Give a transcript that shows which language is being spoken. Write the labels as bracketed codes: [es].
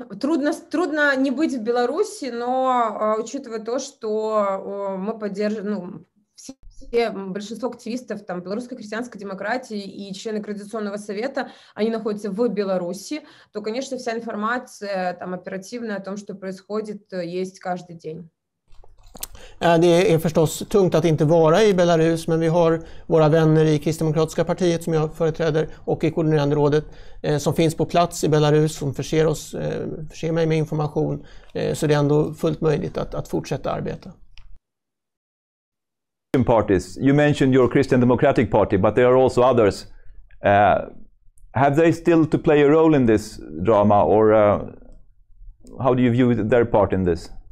[ru] Трудно не быть в Беларуси, но учитывая то, что мы поддерживаем, ну, большинство активистов там белорусской крестьянской демократии и члены координационного совета, они находятся в Беларуси, то, конечно, вся информация там оперативная о том, что происходит, есть каждый день. [sv] Det är förstås tungt att inte vara i Belarus, men vi har våra vänner i Kristdemokratiska partiet som jag företräder och i koordinerande rådet som finns på plats i Belarus, som förser mig med information, så det är ändå fullt möjligt att fortsätta arbeta. [en] Parties. You mentioned your Christian Democratic Party, but there are also others. Have they still to play a role in this drama, or how do you view their part in this?